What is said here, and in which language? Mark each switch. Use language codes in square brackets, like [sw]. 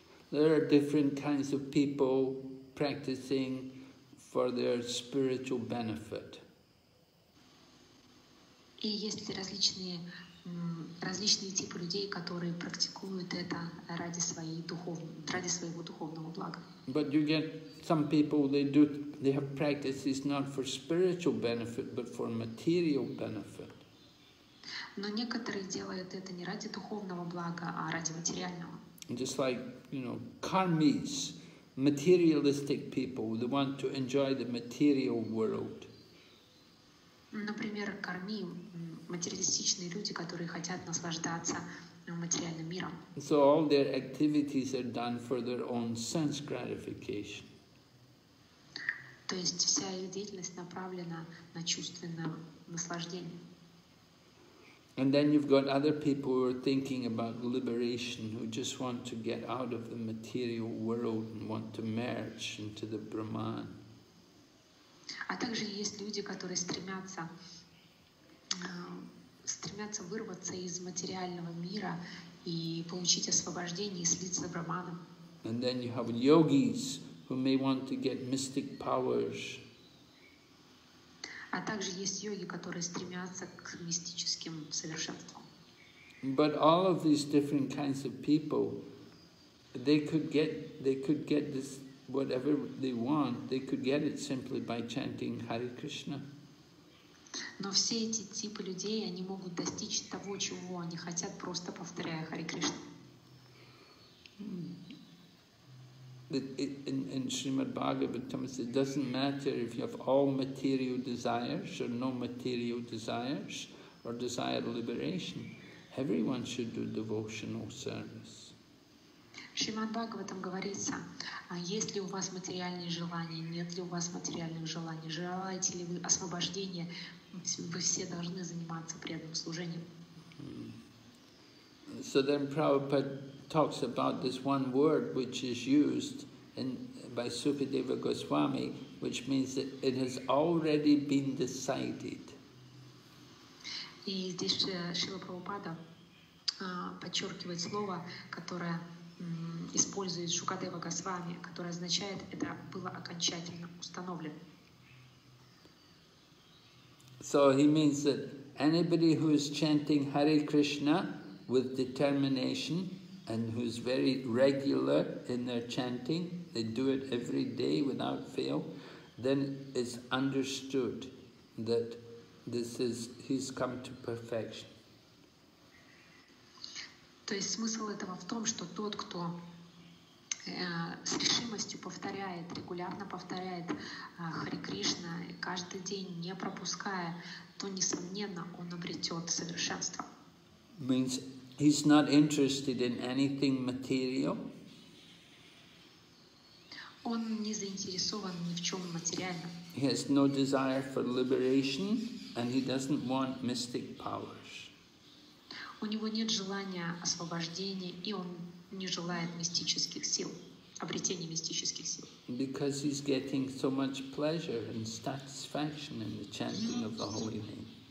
[en] There are different kinds of people practicing for their spiritual benefit. [ru] И есть различные типы людей, которые практикуют это ради своего духовного блага. [en] But you get some people, they have practices not for spiritual benefit, but for material benefit. [ru] Но некоторые делают это не ради духовного блага, а ради материального. [en] Just like, you know, karmis, materialistic people, they want to enjoy the material world. [ru] Например, карми, материалистичные люди, которые хотят наслаждаться материальным миром. [en] So all their activities are done for their own sense gratification. [ru] То есть вся их деятельность направлена на чувственное наслаждение. [en] And then you've got other people who are thinking about liberation, who just want to get out of the material world and want to merge into the Brahman. [ru] А также есть люди, которые стремятся вырваться из материального мира и получить освобождение и слиться с Брахманом. [en] And then you have yogis who may want to get mystic powers. [ru] А также есть йоги, которые стремятся к мистическим совершенствам. [en] But all of these different kinds of people, they could get this whatever they want, they could get it simply by chanting Hare Krishna. [ru] Но все эти типы людей, они могут достичь того, чего они хотят, просто повторяя Харе Кришна. [en] In Srimad Bhagavatam it says, it doesn't matter if you have all material desires or no material desires or desire liberation. Everyone should do devotional service. [ru] Шримад Бхагаватам говорится, если у вас материальные желания, нет ли у вас материальных желаний, желаете ли вы освобождения, вы все должны заниматься преданным служением. [en] So then Prabhupada talks about this one word which is used in, by Sukadeva Goswami, which means that it has already been decided. [ru] И здесь Шрила Прабхупада подчеркивает слово, которое использует Шукадева Госвами, которое означает, это было окончательно установлено. [en] So he means that anybody who is chanting Hare Krishna with determination and who is very regular in their chanting, they do it every day without fail, then it's understood that this is, he's come to perfection. [ru] То есть смысл этого в том, что тот, кто с решимостью повторяет, регулярно повторяет Харе Кришна, каждый день не пропуская, то, несомненно, он обретет совершенство. [en] Means he's not interested in anything material. [ru] Он не заинтересован ни в чем материальном. [en] He has no desire for liberation, and he doesn't want mystic powers. [ru] У него нет желания освобождения, и он не желает мистических сил, обретения мистических сил. [en] Because he's getting so much pleasure and satisfaction in the chanting of the holy name.